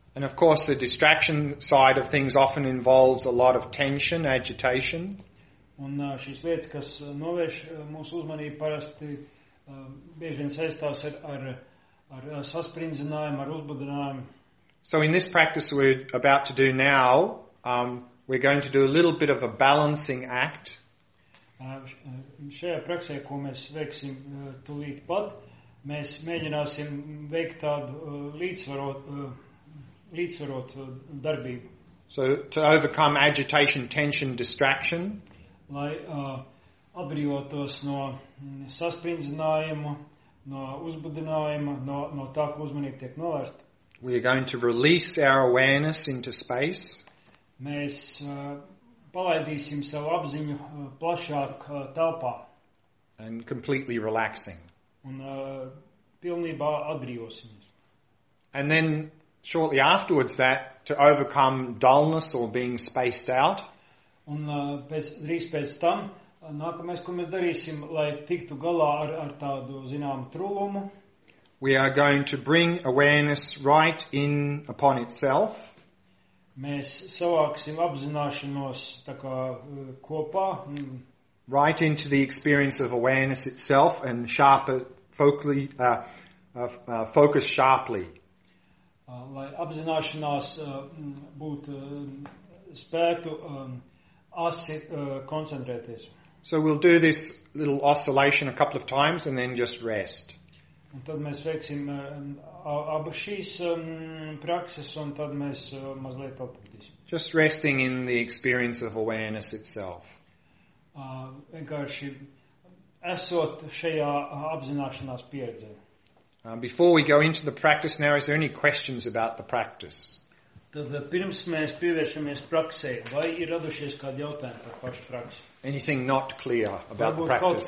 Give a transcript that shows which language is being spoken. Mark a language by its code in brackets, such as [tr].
[en] And of course, the distraction side of things often involves a lot of tension, agitation. [lv] Un šīs lietas, kas novērš mūsu uzmanību, parasti bieži vien saistās ar sasprindzinājumu, ar uzbudinājumu. [en] So in this practice we're about to do now, we're going to do a little bit of a balancing act. [lv] Šajā praksē, ko mēs veiksim tūlīt pat, mēs mēģināsim veikt tādu līdzsvarot darbību. [en] So to overcome agitation, tension, distraction. [lv] Lai atbrīvotos no sasprindzinājuma, no uzbudinājuma, no tā, ko uzmanība tiek novērsta. [en] We are going to release our awareness into space. [lv] Mēs palaidīsim savu apziņu plašāk telpā. [en] And completely relaxing. [lv] Un pilnībā atbrīvosimies. [en] And then shortly afterwards that, to overcome dullness or being spaced out. [lv] Un pēc tam, nākamais, ko mēs darīsim, lai tiktu galā ar tādu, zinām, trūlumu. [en] We are going to bring awareness right in upon itself. [lv] Mēs savāksim apzināšanos tā kā kopā. [en] Right into the experience of awareness itself and focus sharply. [lv] Lai apzināšanās būtu spētu asi koncentrēties. [en] So we'll do this little oscillation a couple of times and then just rest. [lv] Un tad mēs veiksim abu šīs prakses un tad mēs mazliet papildīsim. [en] Just resting in the experience of awareness itself. [lv] Vienkārši esot šajā apzināšanās pieredzē. [en] Before we go into the practice now, is there any questions about the practice? [lv] Tad pirms mēs pievēršamies praksē, vai ir radušies kādi jautājumi par pašu praksi? [en] Anything not clear about the practice?